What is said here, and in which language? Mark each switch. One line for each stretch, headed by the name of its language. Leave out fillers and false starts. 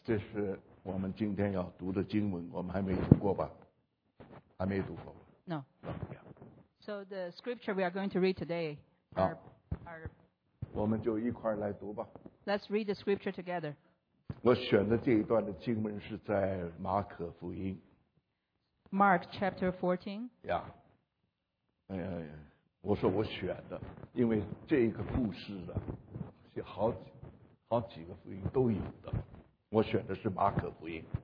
Chinese: 这是我们今天要读的经文，我们还没读过吧？还没读过。
English: No. So the scripture we are going to read today.
Chinese: 好。我们就一块来读吧。
English: Let's read the scripture together.
Chinese: 我选的这一段的经文是在马可福音。
English: Mark chapter 14. Yeah.
Chinese: 哎呀，我说我选的，因为这个故事的是好几个福音都有的，我选的是马可福音。